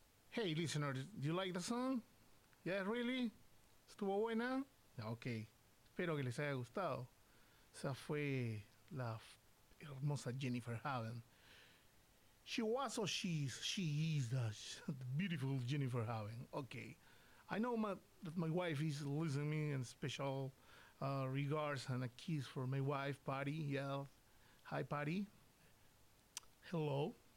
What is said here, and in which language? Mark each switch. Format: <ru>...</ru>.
<en>Hey, listener, do you like the song? Yeah, really?</en> <es>¿Estuvo buena? Ok, espero que les haya gustado. Esa fue la hermosa Jennifer Haven.</es> <en>She was or she is the beautiful Jennifer Haven. Ok, I know that my wife is listening, and special regards and a kiss for my wife, Patty. Yeah, hi, Patty. Hello.</en>